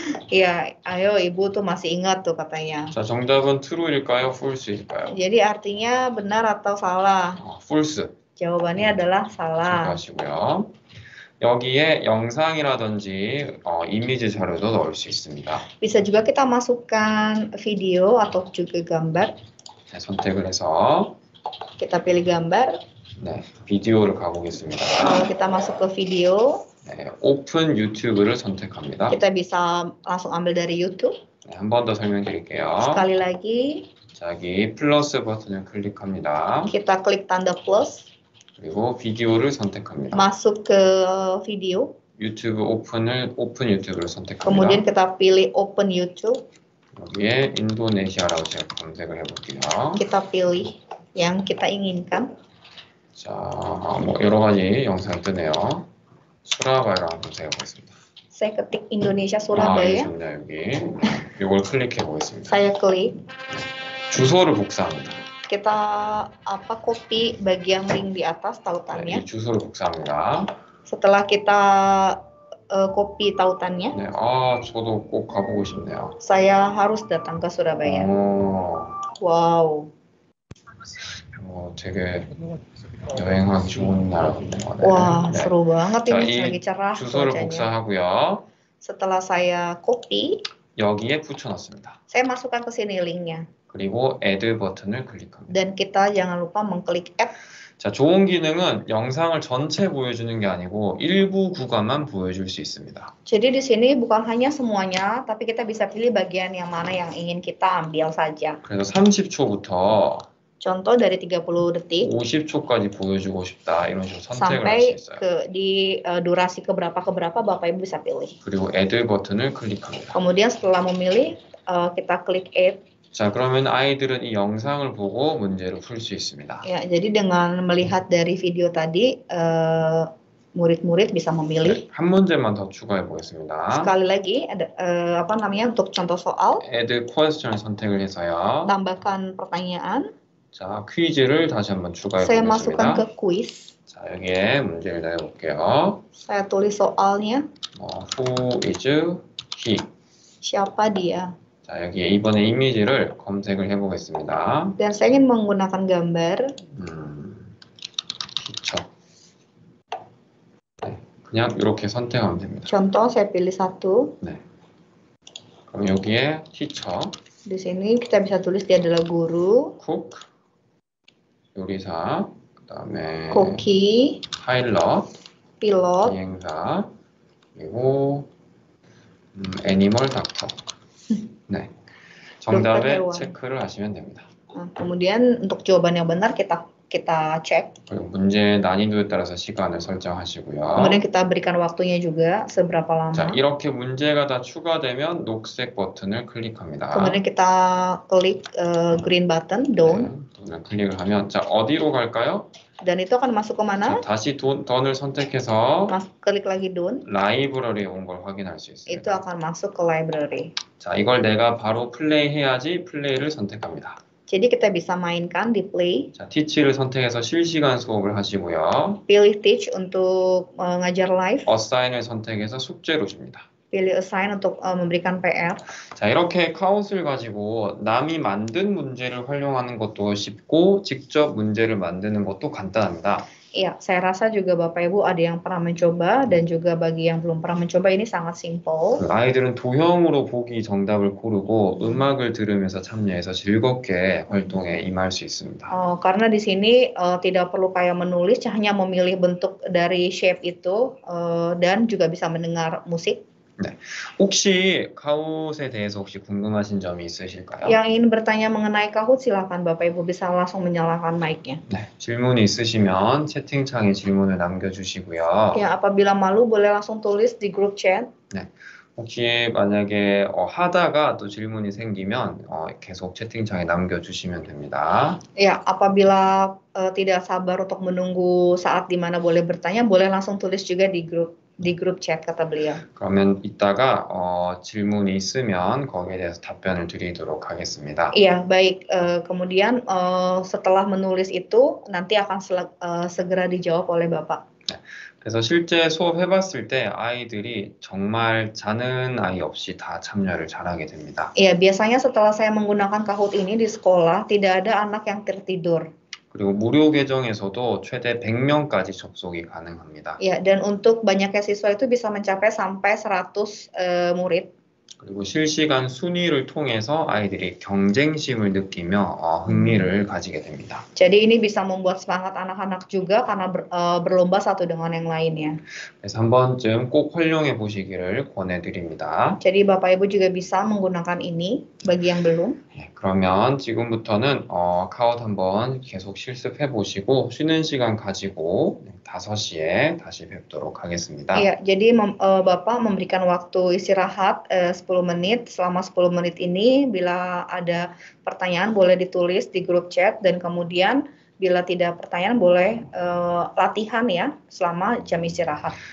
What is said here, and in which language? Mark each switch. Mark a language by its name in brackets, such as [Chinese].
[Indonesian] Iya, ayo ibu tuh masih ingat tuh katanya. [Korean] 자, 정답은 true일까요, false일까요? [Indonesian] Jadi artinya benar atau salah? [English] False. [Indonesian] �awabannya adalah salah. [Korean] 하시고요. 여기에 영상이라든지 이미지 자료도 넣을 수 있습니다. [Indonesian] Bisa juga kita masukkan video atau juga gambar. [Korean] 네, 선택을 해서 [Indonesian] kita pilih gambar. [Korean] 네, 비디오를 가보겠습니다. [Indonesian] Kita masuk ke video. [Korean] 네, 오픈 유튜브를 선택합니다. [Indonesian] Kita bisa langsung ambil dari YouTube. [Korean] 네, 한 번 더 설명드릴게요. [Indonesian] Sekali lagi. [Korean] 자, 여기 플러스 버튼을 클릭합니다. [Indonesian] Kita klik tanda plus. [Korean] 그리고 비디오를 선택합니다. [Indonesian] Masuk ke video. [Korean] 유튜브 오픈을 오픈 유튜브를 선택합니다. [Indonesian] Kemudian kita pilih open YouTube. [Korean] 여기에 인도네시아라고 제가 검색을 해볼게요. [Indonesian] Kita pilih yang kita inginkan. [Korean] 자, 뭐 여러 가지 영상 뜨네요. 수라바야 한번 제가 보겠습니다. [Indonesian] Saya ketik Indonesia Surabaya. [Korean] 아, 여기. 이걸 클릭해 보겠습니다. [Indonesian] Saya klik. [Korean] 주소를 복사합니다. [Indonesian] Kita apa copy bagian link di atas tautannya. [Korean] 네, 주소를 복사합니다. [Indonesian] Setelah kita copy tautannya. [Korean] 네, 아 저도 꼭 가보고 싶네요. [Indonesian] Saya harus datang ke Surabaya. [Korean] 오. [English] Wow. [Korean] 뭐 되게 여행하기 좋은 나라군요. 네. 와 세로 네. 방아 띠는 여기 쩔어. 주소를 주자냐. 복사하고요. [Indonesian] Setelah saya copy [Korean] 여기에 붙여놨습니다. [Indonesian] Saya masukkan ke sini link-nya. [Korean] 그리고 add 버튼을 클릭합니다. [Indonesian] Dan kita jangan lupa mengklik add. [Korean] 자, 좋은 기능은 영상을 전체 보여주는 게 아니고 일부 구간만 보여줄 수 있습니다. [Indonesian] Jadi di sini bukan hanya semuanya, tapi kita bisa pilih bagian yang mana yang ingin kita ambil saja. [Korean] 그래서 30초부터 [Indonesian] contoh dari 30 detik [Korean] 50초까지 보여주고 싶다. 이런 식으로 선택을 [Indonesian] sampai [Korean] 할 수 있어요. [Indonesian] 그, di durasi keberapa keberapa Bapak Ibu bisa pilih. [Korean] 그리고 add 버튼을 클릭합니다. [Indonesian] Kemudian setelah memilih kita klik add. [Korean] 자, 그러면 아이들은 이 영상을 보고 문제를 풀 수 있습니다. [Indonesian] Ya, jadi dengan melihat dari video tadi murid-murid bisa memilih. [Korean] 네, 한 문제만 더 추가해 보겠습니다. [Indonesian] Sekali lagi ada apa namanya untuk contoh soal? [Korean] Add question 선택을 해서요. 남박한 pertanyaan. 자, 퀴즈를 다시 한번 추가해 [Indonesian] saya Saya masukkan ke quiz. [Korean] 자, 여기에 문제를 내 볼게요. [Indonesian] Saya tulis soalnya. [English] Who is he? 시아빠 dia. [Korean] 자, 여기 이번에 이미지를 검색을 해 보겠습니다. [Indonesian] Dan saya ingin menggunakan gambar. [Korean] 기초. 네, 그냥 이렇게 선택하면 됩니다. [Indonesian] Contoh saya pilih satu. [Korean] 네. 그럼 여기에 teacher. [Indonesian] Di sini kita bisa tulis dia adalah guru. [Korean] Cook. 요리사. 그다음에 [English] cookie. Pilot. Pilot. [Korean] 비행사. 그리고 animal doctor. 네. 정답에 체크를 하시면 됩니다. [Indonesian] 아, kemudian untuk jawaban yang benar kita cek. [Korean] 그리고 문제 난이도에 따라서 시간을 설정하시고요. [Indonesian] Kemudian kita berikan waktunya juga seberapa lama. [Korean] 자, 이렇게 문제가 다 추가되면 녹색 버튼을 클릭합니다. [Indonesian] Kemudian kita klik green button done. [Korean] 네, 클릭을 하면 자, 어디로 갈까요? [Indonesian] Dan itu akan masuk ke mana? [Korean] 자, 다시 done을 선택해서 [Indonesian] 클릭 lagi done. [Korean] 라이브러리에 온 걸 확인할 수 있어요. [Indonesian] Itu akan masuk ke library. [Korean] 자, 이걸 내가 바로 플레이해야지 플레이를 선택합니다. [Indonesian] Jadi kita bisa mainkan di play. [Korean] 자, teach를 선택해서 실시간 수업을 하시고요. [Indonesian] Pilih teach untuk ngajar live. [Korean] Assign을 선택해서 숙제로 줍니다. [Indonesian] Pilih assign untuk memberikan PR. [Korean] 자, 이렇게 카운트를 가지고 남이 만든 문제를 활용하는 것도 쉽고 직접 문제를 만드는 것도 간단합니다. [Indonesian] Iya, saya rasa juga Bapak Ibu ada yang pernah mencoba dan juga bagi yang belum pernah mencoba ini sangat simple. [Korean] 아이들은 도형으로 보기 정답을 고르고 음악을 들으면서 참여해서 즐겁게 활동에 임할 수 있습니다. [Indonesian] Karena di sini tidak perlu kayak menulis, hanya memilih bentuk dari shape itu dan juga bisa mendengar musik. [Korean] 네. 혹시 Kahoot에 대해서 혹시 궁금하신 점이 있으실까요? [Indonesian] Yang ingin bertanya mengenai Kahoot silakan Bapak Ibu bisa langsung menyalakan mic-nya. [Korean] 네. 질문이 있으시면 채팅창에 질문을 남겨 주시고요. [Indonesian] Ya, apabila malu boleh langsung tulis di group chat. [Korean] 네. 혹시 만약에 하다가 또 질문이 생기면 계속 채팅창에 남겨 주시면 됩니다. [Indonesian] Ya, apabila tidak sabar untuk menunggu saat di mana boleh bertanya boleh langsung tulis juga di group di group chat kata beliau. [Korean] 그러면 이따가 질문이 있으면 거기에 대해서 답변을 드리도록 하겠습니다. [Indonesian] Iya, yeah, baik. Kemudian setelah menulis itu nanti akan segera dijawab oleh Bapak. [Korean] 네. 그래서 실제 수업 해 봤을 때 아이들이 정말 자는 아이 없이 다 참여를 잘하게 됩니다. [Indonesian] Iya, yeah, biasanya setelah saya menggunakan Kahoot ini di sekolah tidak ada anak yang tertidur. [Korean] 그리고 무료 계정에서도 최대 100명까지 접속이 가능합니다. [Indonesian] 예, yeah, dan untuk banyaknya siswa itu bisa mencapai sampai 100 murid. [Korean] 그리고 실시간 순위를 통해서 아이들이 경쟁심을 느끼며 흥미를 가지게 됩니다. [Indonesian] Jadi ini bisa membuat semangat anak-anak juga karena berlomba satu dengan yang lainnya. [Korean] 그래서 한 번쯤 꼭 활용해 보시기를 권해드립니다. [Indonesian] Jadi Bapak Ibu juga bisa menggunakan ini bagi yang belum. [Korean] 네, 그러면 지금부터는 카웃 한번 계속 실습해 보시고 쉬는 시간 가지고 5시에 다시 뵙도록 하겠습니다. [Indonesian] Iya, jadi Bapak memberikan waktu istirahat 10 menit. Selama 10 menit ini bila ada pertanyaan boleh ditulis di grup chat dan kemudian bila tidak pertanyaan boleh latihan ya selama jam istirahat.